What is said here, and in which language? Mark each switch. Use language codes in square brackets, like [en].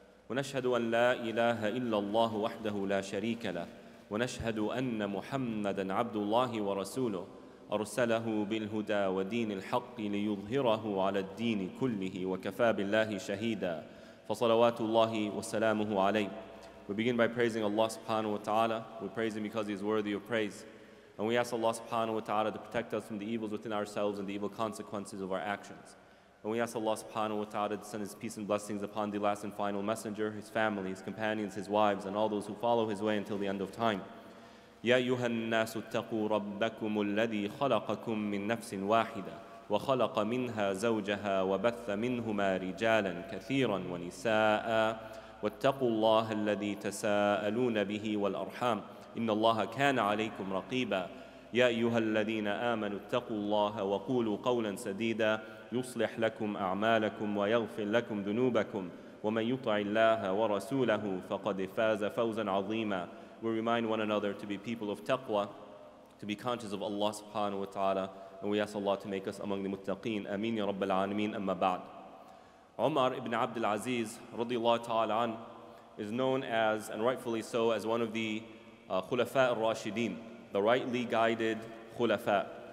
[ar] ونشهد أن لا إله إلا الله وحده لا شريك له ونشهد أن محمدا عبد الله ورسوله أرسله بالهدى ودين الحق ليظهره على الدين كله وكفى بالله شهيدا. فصلوات الله وسلامه عليه. [en] We begin by praising Allah subhanahu wa ta'ala. We praise Him because He is worthy of praise. And we ask Allah subhanahu wa ta'ala to protect us from the evils within ourselves and the evil consequences of our actions. And we ask Allah subhanahu wa ta'ala to send His peace and blessings upon the last and final messenger, His family, His companions, His wives, and all those who follow His way until the end of time. [ar] يَا أَيُّهَا النَّاسُ اتَّقُوا رَبَّكُمُ الَّذِي خَلَقَكُم مِّن نَّفْسٍ وَاحِدَةٍ وخلق منها زوجها وبث منهما رجالا كثيرا ونساء واتقوا الله الذي تساءلون به والأرحام إن الله كان عليكم رقيبا يا أيها الذين آمنوا اتقوا الله وقولوا قولا سديدا يصلح لكم أعمالكم ويغفر لكم ذنوبكم ومن يطع الله ورسوله فقد فاز فوزا عظيما. [en] We remind one another to be people of taqwa, to be conscious of Allah subhanahu wa ta'ala. And we ask Allah to make us among the muttaqeen. Ameen ya rabbal alameen. Amma ba'd. Umar ibn Abd al-Aziz radiyallahu ta'ala an is known as, and rightfully so, as one of the khulafa al-rashideen, the rightly guided khulafa.